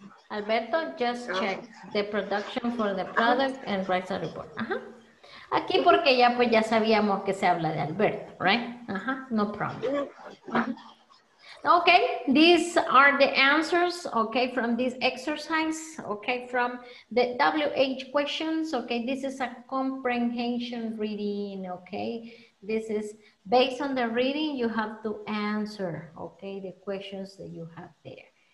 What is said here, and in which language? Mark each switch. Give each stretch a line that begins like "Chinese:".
English: Alberto, just checks the production for the product and writes a report.
Spanish: Aquí porque ya pues ya sabíamos que se habla de Alberto,
English: right? No problem. Okay, these are the answers, okay, from this exercise, okay, from the WH questions, okay, this is a comprehension reading, okay, this is based on the reading, you have to answer, okay, the questions that you have there.